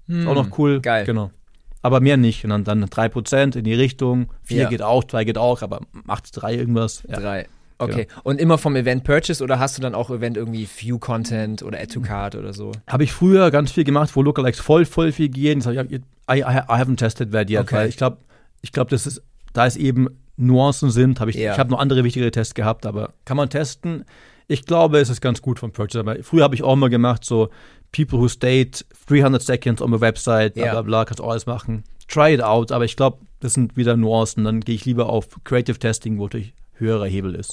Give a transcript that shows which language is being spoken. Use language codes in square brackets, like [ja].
[de] Auch noch cool. Geil. Genau. Aber mehr nicht. Und dann 3% in die Richtung, 4 geht auch, 2 geht auch, aber macht 3 irgendwas. Ja. 3. Okay, genau. Und immer vom Event Purchase oder hast du dann auch Event irgendwie View-Content oder Add-to-Card oder so? Habe ich früher ganz viel gemacht, wo Lookalikes voll viel gehen. [en] I haven't tested that yet, [de] okay. Weil ich glaube, das ist, da es eben Nuancen sind, ich habe noch andere wichtigere Tests gehabt, aber kann man testen. Ich glaube, es ist ganz gut vom Purchase, aber früher habe ich auch mal gemacht, so [en] People who stayed 300 seconds on my website, [de] bla bla bla, kannst alles machen. [en] Try it out, [de] aber ich glaube, das sind wieder Nuancen, dann gehe ich lieber auf Creative Testing, wo ich höherer Hebel ist.